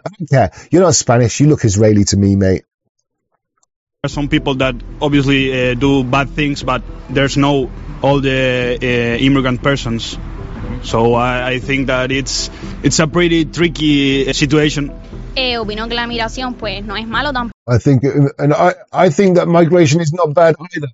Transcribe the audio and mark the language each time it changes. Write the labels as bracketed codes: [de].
[en] Yeah, you're not Spanish. You look Israeli to me, mate. There are some people that obviously do bad things, but there's no all the immigrant persons. So I think that it's a pretty tricky situation. [es] Opino que la migración pues no es malo tampoco. [en] I think that migration is not bad either.